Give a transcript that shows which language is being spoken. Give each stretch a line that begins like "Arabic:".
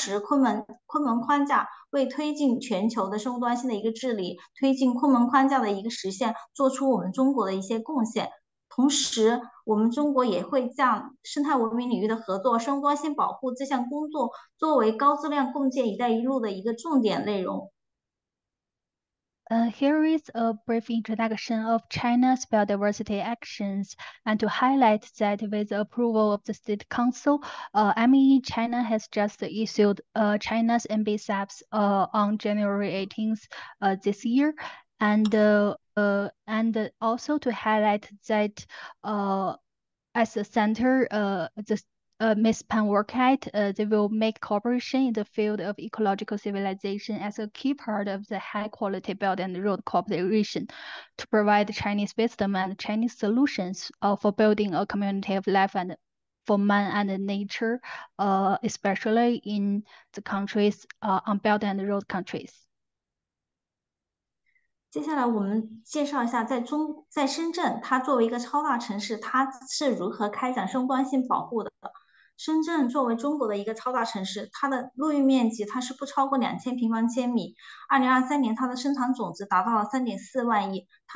Chinese: 然后今年我们1月18号，我们中国这边也发布了中国最新的生物多样性保护行动计划，保护战略与行动计划。希望通过这个行动计划，第一个就是来，首先就是要全面的提升我们中国自己的生物多样性的一个治理水平；第二个就是通过这个行动计划来切实的落实昆明框架。为推进全球的生物多样性的一个治理，推进昆明框架的一个实现，做出我们中国的一些贡献。同时，我们中国也会将生态文明领域的合作、生物多样性保护这项工作，作为高质量共建“一带一路”的一个重点内容。
English: Here is a brief introduction of China's biodiversity actions, and to highlight that with approval of the State Council, ME China has just issued China's NBSAPs on January 18th this year, and also to highlight that as a center, Ms. Pan work at, they will make cooperation in the field of ecological civilization as a key part of the high quality Belt and Road cooperation to provide Chinese wisdom and Chinese solutions for building a community of life and for man and nature, especially in the countries on Belt and Road countries.
Chinese: 接下来我们介绍一下在深圳，它作为一个超大城市，它是如何开展生物多样性保护的。深圳作为中国的一个超大城市，它的陆域面积它是不超过2000平方千米。 2023年，它的生产总值达到了3.4万亿。